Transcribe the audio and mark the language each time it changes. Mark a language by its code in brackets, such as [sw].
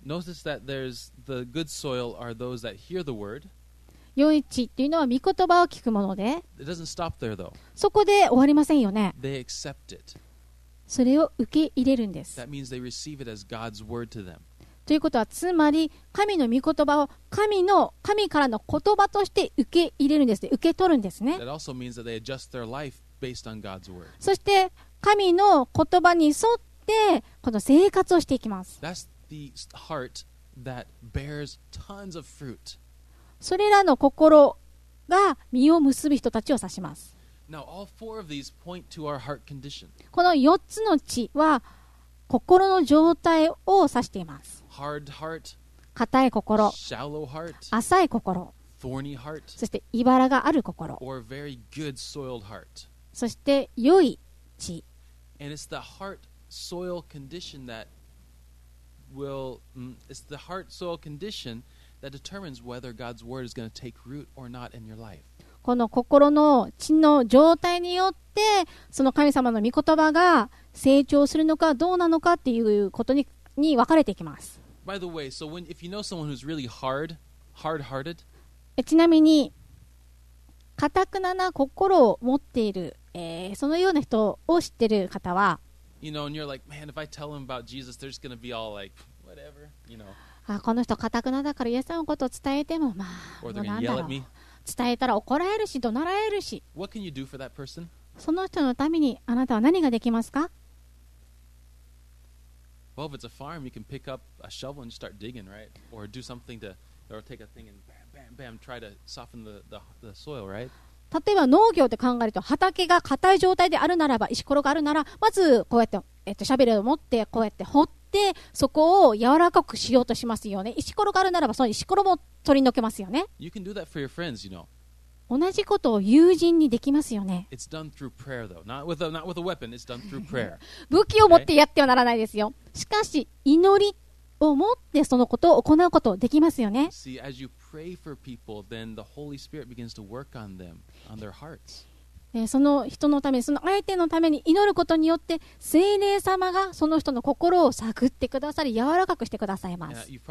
[en] Notice that there's the good soil are those that hear the word. [ja] 良い地っていうのは御言葉を聞くもので、 [en] It doesn't stop there, though. [ja] そこで終わりませんよね。 [en] They accept it. [ja] それを受け入れるんです。 [en] That means they receive it as God's word to them. [ja] ということはつまり神の御言葉を神からの言葉として受け入れるんですね。受け取るんですね。 [en] That also means that they adjust their life based on God's word. [ja] そして神の言葉に沿ってこの生活をしていきます。 [en] That's the heart that bears tons of fruit. [ja] それらの心が実を結ぶ人たちを指します。 [en] Now, all four of these point to our heart condition. [ja] この4つの地は心の状態を指しています。 [en] Hard heart, [ja] 硬い心、 [en] shallow heart, [ja] 浅い心、 [en] thorny heart, [ja] そして茨がある心、 [en] or very good soiled heart, [ja] そして良い地。 [en] And it's the heart soil condition that will, it's the heart soil condition that determines whether God's word is going to take root or not in your life. [ja] この心の地の状態によってその神様の御言葉が成長するのかどうなのかっていうことに分かれていきます。ちなみに固くなな心を持っている、そのような人を知っている方は [en] you know, and you're like, man, if I tell him about Jesus, they're just gonna be all like, whatever, you know. [ja] あ、この人固くなだからイエス様のことを伝えてもまあ、もう何だろう、伝えたら怒られるし怒鳴られるし。 [en] What can you do for that person? [ja] その人のためにあなたは何ができますか？ [en] Well, if it's a farm, you can pick up a shovel and start digging, right? Or do something to, or take a thing and bam, bam, bam, try to soften the soil, right? [ja] 例えば農業って考えると畑が硬い状態であるならば石ころがあるならまずこうやってシャベルを持ってこうやって掘ってそこを柔らかくしようとしますよね。石ころがあるならばその石ころも取り除けますよね。 [en] You can do that for your friends, you know. [ja] 同じことを友人にできますよね。 [en] It's done through prayer though. Not with a weapon. It's done through prayer. [ja] 武器を持ってやってはならないですよ。しかし祈りを持ってそのことを行うことできますよね。 [en] See, as you pray for people, then the Holy Spirit begins to work on them, on their hearts. [ja] その人のためにその相手のために祈ることによって聖霊様がその人の心を探ってくださり柔らかくしてくださいます。